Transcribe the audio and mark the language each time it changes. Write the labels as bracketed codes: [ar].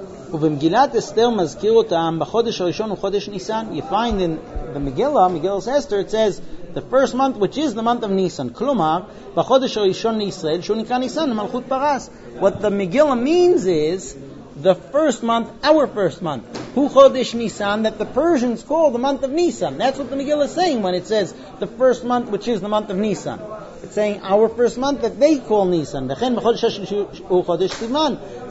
[he] ובמגילת אסתר מזכיר אותם בחודש הראשון וחודש ניסן. [en] You find in the Megillah, Megillah's Esther, it says the first month, which is the month of Nisan. [he] כלומר, בחודש הראשון לישראל, שהוא נקרא ניסן, מלכות פרס. [en] What the Megillah means is the first month, our first month, [he] Hu Chodesh Nisan, [en] that the Persians call the month of Nisan. That's what the Megillah is saying when it says the first month, which is the month of Nisan. It's saying our first month that they call Nisan. [he] V'chein b'chodesh ha'shishu hu chodesh Sivan.